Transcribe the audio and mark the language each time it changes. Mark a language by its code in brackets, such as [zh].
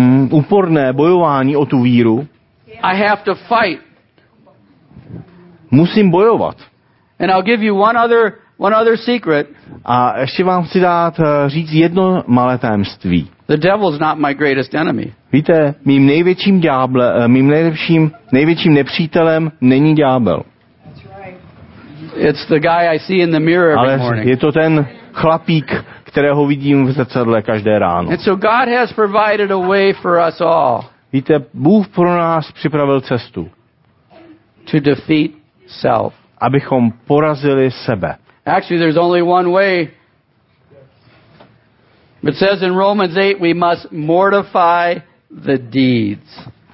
[cs] úporné bojování o tu víru. [en] I have to fight. [cs] Musím bojovat. [en] And I'll give you one other secret. [cs] A ještě vám chci dát říct jedno malé tajemství. [en] The devil's not my greatest enemy. [cs] Víte, mým největším nepřítelem není ďábel. [en] It's the guy I see in the mirror every [cs] Ale [en] morning. [cs] Je to ten chlapík, kterého vidím v zrcadle každé ráno. [en] And so God has provided a way for us all. [cs] Víte, Bůh pro nás připravil cestu. [en] To defeat self. [cs] Abychom porazili sebe. [en] Actually, there's only one way. It says in Romans 8, we must mortify the deeds.